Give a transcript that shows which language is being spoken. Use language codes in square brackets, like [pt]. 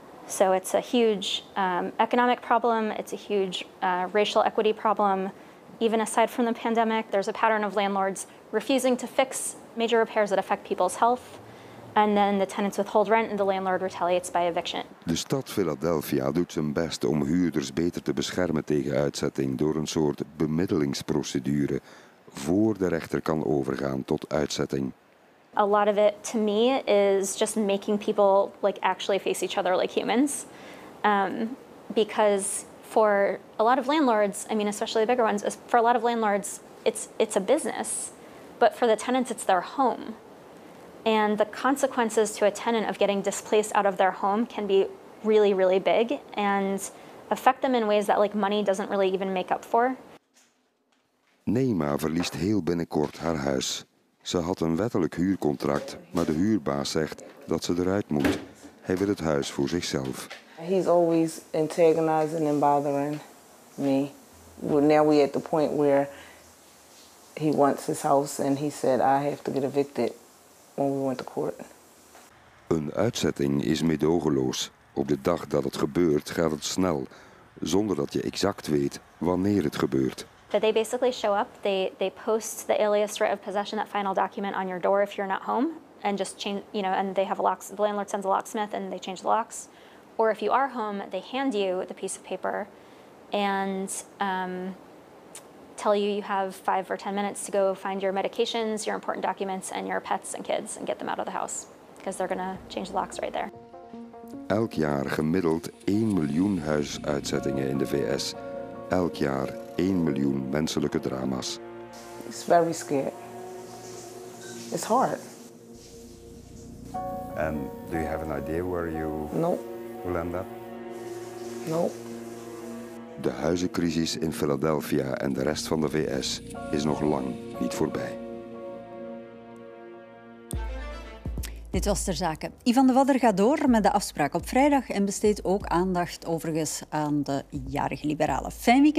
[en] So it's a huge economic problem, it's a huge racial equity problem. Even aside from the pandemic, there's a pattern of landlords refusing to fix major repairs that affect people's health. And then the tenants withhold rent and the landlord retaliates by eviction. [nl] De stad Philadelphia doet zijn best om huurders beter te beschermen tegen uitzetting door een soort bemiddelingsprocedure voor de rechter kan overgaan tot uitzetting. [en] A lot of it to me is just making people like actually face each other like humans. Because for a lot of landlords, I mean especially the bigger ones, for a lot of landlords it's a business, but for the tenants it's their home. And the consequences to a tenant of getting displaced out of their home can be really, really big and affect them in ways that like money doesn't really even make up for. [nl] Neema verliest heel binnenkort haar huis. Ze had een wettelijk huurcontract, maar de huurbaas zegt dat ze eruit moet. Hij wil het huis voor zichzelf. [en] He's always antagonizing and bothering me. Now we're at the point where he wants his house and he said I have to get evicted. [nl] Een uitzetting is meedogenloos. Op de dag dat het gebeurt, gaat het snel, zonder dat je exact weet wanneer het gebeurt. [en] That they basically show up, they post the alias writ of possession, that final document on your door if you're not home, and just change, you know, and they have a lock. The landlord sends a locksmith and they change the locks. Or if you are home, they hand you the piece of paper, and tell you you have 5 or 10 minutes to go find your medications, your important documents and your pets and kids and get them out of the house because they're gonna change the locks right there. [nl] Elk jaar gemiddeld 1 miljoen huisuitzettingen in de VS. Elk jaar 1 miljoen menselijke drama's. [en] It's very scary. It's hard. And do you have an idea where you will end up? Nope. [nl] De huizencrisis in Philadelphia en de rest van de VS is nog lang niet voorbij. Dit was Ter Zake. Ivan de Vadder gaat door met de afspraak op vrijdag en besteedt ook aandacht overigens aan de jarige liberalen. Fijn weekend gewenst en graag tot maandag.